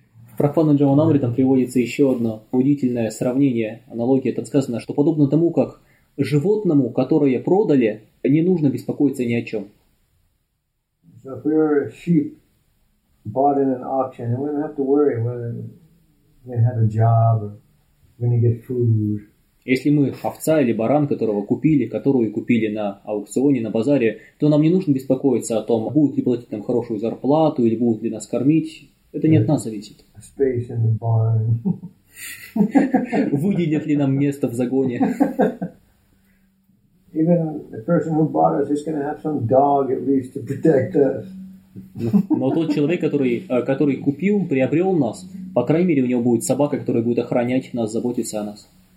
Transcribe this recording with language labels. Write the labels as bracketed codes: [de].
[ru] В Прохладном Джаванамритам приводится еще одно удивительное сравнение, аналогия. Там сказано, что подобно тому, как животному, которое продали, не нужно беспокоиться ни о чем. [en] So if we were a sheep bought in an auction, then we don't have to worry whether... Have a job, gonna get food. [ru] Если мы овца или баран, которого купили, которую купили на аукционе, на базаре, то нам не нужно беспокоиться о том, будут ли платить нам хорошую зарплату или будут ли нас кормить. Это не от нас зависит. [en] Space in the barn. [ru] Выделят ли нам место в загоне? [en] Even the person who bought us is gonna have some dog at least to protect us. [ru] Но тот человек, который купил, приобрел нас, по крайней мере, у него будет собака, которая будет охранять нас, заботиться о нас.